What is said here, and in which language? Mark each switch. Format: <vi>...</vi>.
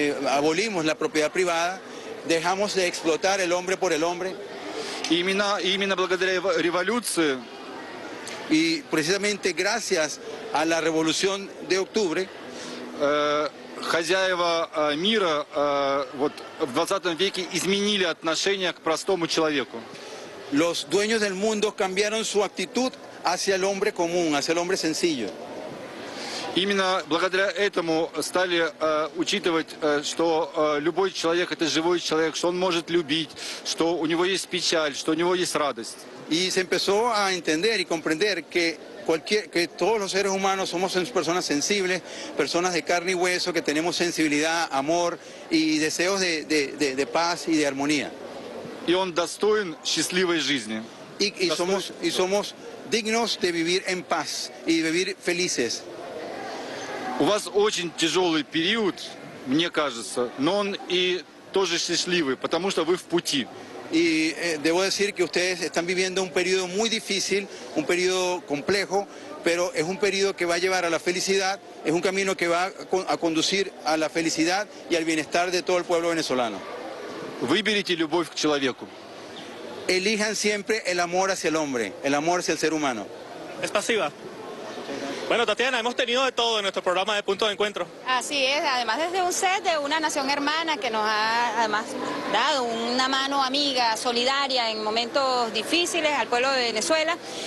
<es>Abolimos la propiedad privada, dejamos de explotar el hombre por el hombre.</es> <ru>Именно благодаря революции,</ru> <es>y precisamente gracias a la Revolución de Octubre,</es> <ru>хозяева мира вот в 20 веке изменили отношение к простому человеку.</ru> <es>Los dueños del mundo cambiaron su actitud hacia el hombre común, hacia el hombre sencillo.</es> <ru>Именно благодаря этому стали учитывать, что любой человек – это живой человек, что он может любить, что у него есть печаль, что у него есть радость.</ru> <es>И se empezó a entender y comprender que todos los seres humanos somos personas sensibles, personas de carne y hueso, que tenemos sensibilidad, amor y deseos de paz y de armonía.</es> <ru>И он достоин счастливой жизни.</ru> <es>Y somos dignos de vivir en paz y de vivir felices.</es> <ru>У вас очень тяжелый период, мне кажется, но он и тоже счастливый, потому что вы в пути.</ru> <es>Y debo decir que ustedes están viviendo un periodo muy difícil, un periodo complejo, pero es un periodo que va a llevar a la felicidad, es un camino que va a conducir a la felicidad y al bienestar de todo el pueblo venezolano.</es> <ru>Выберите любовь к человеку.</ru> <es>Elijan siempre el amor hacia el hombre, el amor hacia el ser humano. Es pasiva. Bueno, Tatiana, hemos tenido de todo en nuestro programa de Punto de Encuentro. Así es, además desde un set de una nación hermana que nos ha además dado una mano amiga, solidaria en momentos difíciles al pueblo de Venezuela.</es>